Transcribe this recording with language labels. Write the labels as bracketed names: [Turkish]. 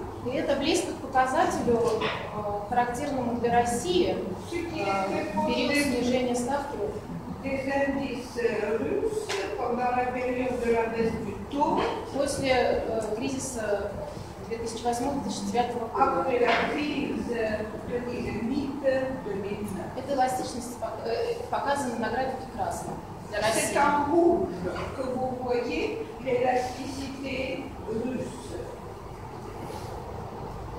[Russian] И это близко к показателю, характерному для России, период снижения ставки. [French] Des indices russes pendant la période de la baisse du taux. [Russian] После кризиса 2008-2009 года. [French] Après la crise de 2008-2009. [Russian] Эта эластичность показана на графике красным. [French] C'est en rouge que vous voyez l'élasticité russe.